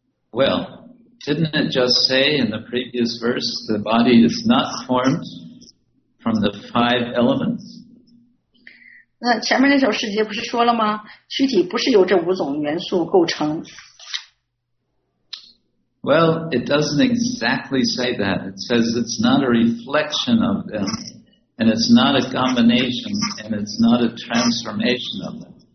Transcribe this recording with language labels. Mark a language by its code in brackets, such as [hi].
[en] Well, didn't it just say in the previous verse, the body is not formed from the five elements? [zh] 那前面那首诗节不是说了吗？躯体不是由这五种元素构成。 [en] Well, it doesn't exactly say that. It says it's not a reflection of them, and it's not a combination, and it's not a transformation of them.